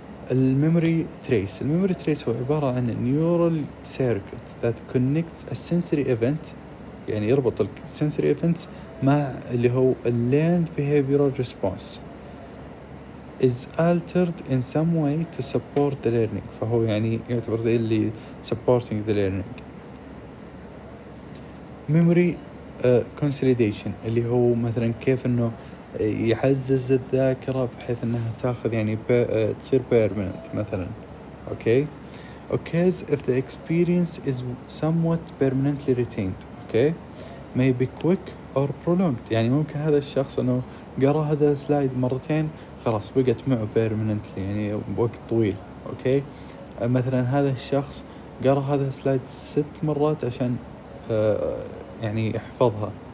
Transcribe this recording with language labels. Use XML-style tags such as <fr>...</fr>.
<ar>الميموري تريس, الميموري تريس هو عبارة عن</ar> <en>neural circuit that connects a sensory event,</en> <ar>يعني يربط الـ sensory events مع اللي هو</ar> <en>learned behavioral response, is altered in some way to support the learning,</en> <ar>فهو يعني يعتبر زي اللي</ar> <en>supporting the learning.</en> <ar>Memory consolidation اللي هو مثلا كيف انه يعزز الذاكرة بحيث انها تاخذ يعني تصير permanent مثلا.</ar> <en>Okay, occurs if the experience is somewhat permanently retained.</en> <ar>اوكي,</ar> <en>may be quick or prolonged,</en> <ar>يعني ممكن هذا الشخص انه قرأ هذا السلايد مرتين خلاص بقت معه permanently, يعني وقت طويل. اوكي, مثلا هذا الشخص قرأ هذا السلايد 6 مرات عشان يعني يحفظها.</ar>